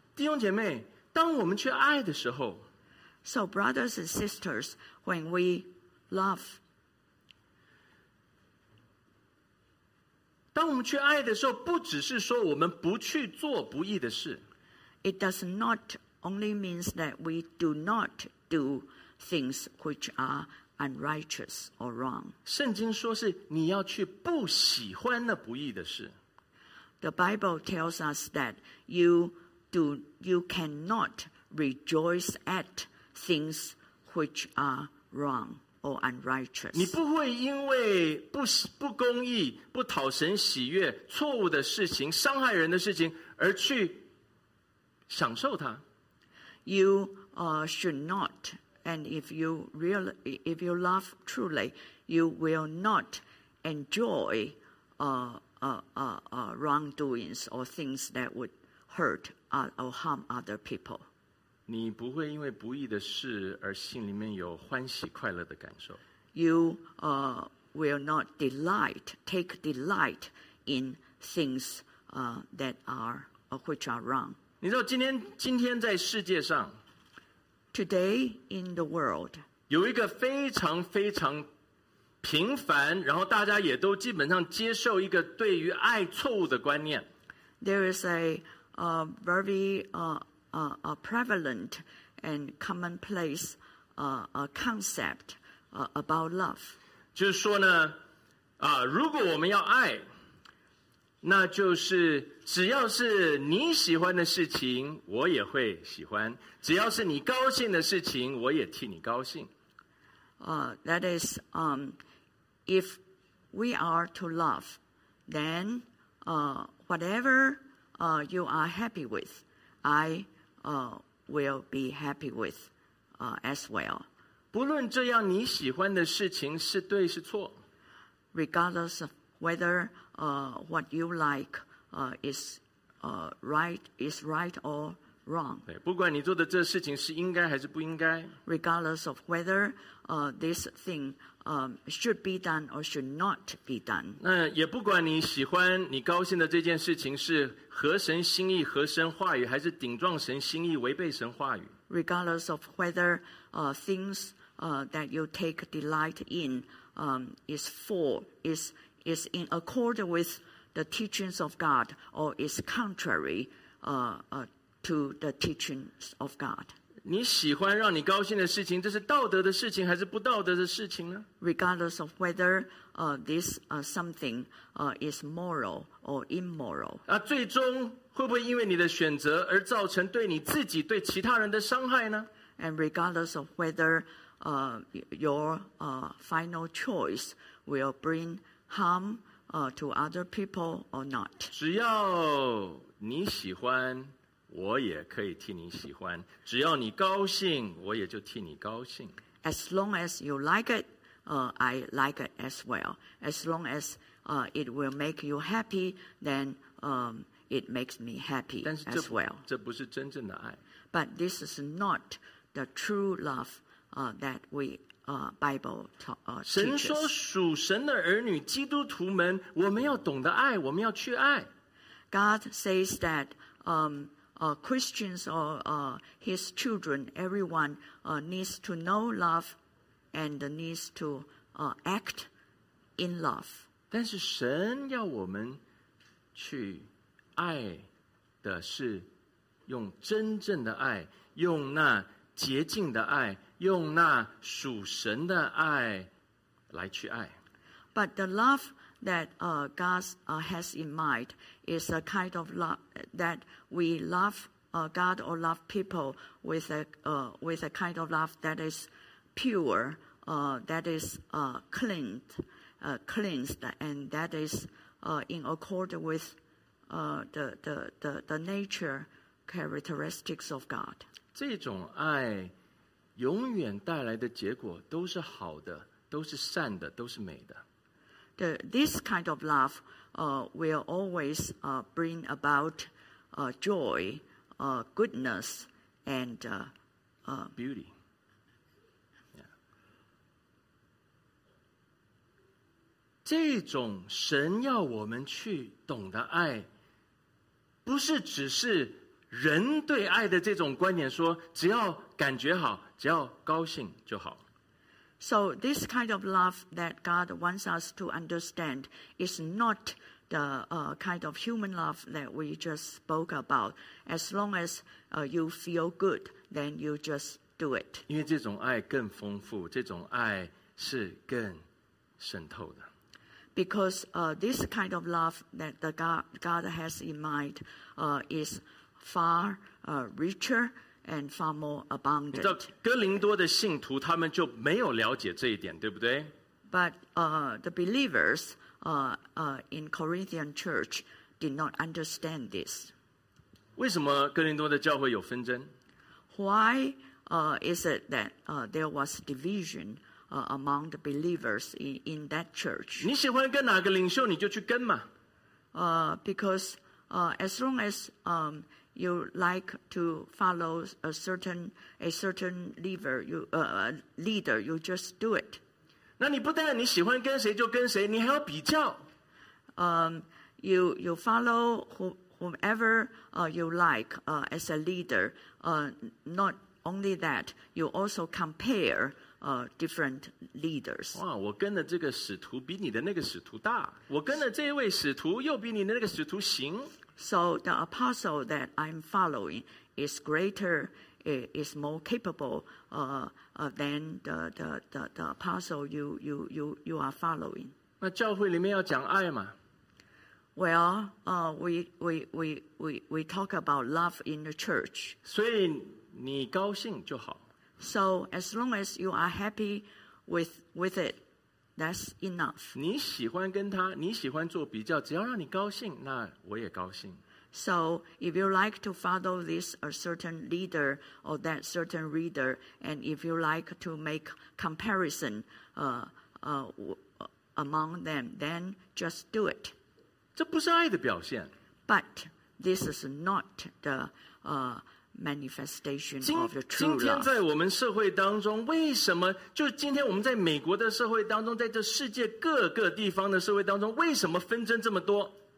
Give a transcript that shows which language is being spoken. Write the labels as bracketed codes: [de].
[zh] 弟兄姐妹，当我们去爱的时候， [en] So brothers and sisters, when we love, [zh] 当我们去爱的时候，不只是说我们不去做不义的事。 [en] It does not only means that we do not do things which are unrighteous or wrong. [zh] 圣经说是你要去不喜欢那不义的事。 [en] The Bible tells us that you cannot rejoice at things which are wrong or unrighteous. [zh] 你不会因为 不公义、不讨神喜悦、错误的事情、伤害人的事情而去享受它。 [en] You should not, and if you love truly, you will not enjoy wrongdoings or things that would hurt or harm other people. [zh] 你不会因为不义的事而心里面有欢喜快乐的感受。 [en] You will not take delight in things that are which are wrong. [zh] 你知道今天在世界上 [en] ，Today in the world， [zh] 有一个非常非常。平凡，然后大家也都基本上接受一个对于爱错误的观念。 [en] There is a very a prevalent and commonplace a concept about love. [zh] 就是说呢，如果我们要爱，那就是只要是你喜欢的事情，我也会喜欢；只要是你高兴的事情，我也替你高兴。 [en] That is If we are to love, then whatever you are happy with, I will be happy with as well. [zh] 不论这样你喜欢的事情是对是错。 [en] Regardless of whether what you like is right or wrong. [zh] 对，不管你做的这事情是应该还是不应该。 [en] Regardless of whether this thing should be done or should not be done. [zh] 那也不管你喜欢你高兴的这件事情是合神心意合神话语还是顶撞神心意违背神话语。 [en] Regardless of whether things that you take delight in is in accord with the teachings of God or is contrary to the teachings of God. [zh] 你喜欢让你高兴的事情，这是道德的事情还是不道德的事情呢？ [en] Regardless of whether this something is moral or immoral. [zh] 那最终会不会因为你的选择而造成对你自己对其他人的伤害呢？ [en] And regardless of whether your final choice will bring harm to other people or not. [zh] 只要你喜欢我也可以替你喜欢，只要你高兴，我也就替你高兴。 [en] As long as you like it, I like it as well. As long as it will make you happy, then it makes me happy as well. [zh] 这不是真正的爱。 [en] But this is not the true love that we Bible teaches. [zh] 神说属神的儿女，基督徒们，我们要懂得爱，我们要去爱。 [en] God says that Christians or his children, everyone needs to know love and needs to act in love. [zh] 但是神要我们去爱的是用真正的爱，用那洁净的爱，用那属神的爱来去爱。 [en] But the love that God has in mind is a kind of love that we love God or love people with a kind of love that is pure, that is cleansed, and that is in accord with the nature characteristics of God. [zh] 这种爱永远带来的结果都是好的，都是善的，都是美的。 [en] This kind of love will always bring about joy, goodness, and beauty. [zh] Yeah. 这种神要我们去懂的爱，不是只是人对爱的这种观点说只要感觉好只要高兴就好。 [en] So this kind of love that God wants us to understand is not the kind of human love that we just spoke about. As long as you feel good, then you just do it. [zh] 因为这种爱更丰富，这种爱是更渗透的。 [en] Because this kind of love that the God has in mind is far richer. And far more abundant. [zh] 你知道哥林多的信徒他们就没有了解这一点，对不对？ [en] But the believers in Corinthian church did not understand this. [zh] 为什么哥林多的教会有纷争？ [en] Why is it that there was division among the believers in that church? [zh] 你喜欢跟哪个领袖你就去跟嘛。 [en] Because as long as you like to follow a certain leader, leader, you just do it. [zh] 那你不但你喜欢跟谁就跟谁，你还要比较。 [en] You follow whomever you like as a leader. Not only that, you also compare different leaders. [zh] 哇，我跟的这个使徒比你的那个使徒大，我跟的这一位使徒又比你的那个使徒行。 [en] So the apostle that I'm following is greater, is more capable than the apostle you are following. [zh] 那教会里面要讲爱吗？ [en] Well, we talk about love in the church. [zh] 所以你高兴就好。 [en] So as long as you are happy with it, that's enough. [zh] 你喜欢跟他，你喜欢做比较，只要让你高兴，那我也高兴。 [en] So, if you like to follow this a certain leader or that certain reader, and if you like to make comparison among them, then just do it. [zh] 这不是爱的表现。 [en] But this is not the manifestation of the true love. [zh] 今天在我们社会当中，为什么就今天我们在美国的社会当中，在这世界各个地方的社会当中，为什么纷争这么多？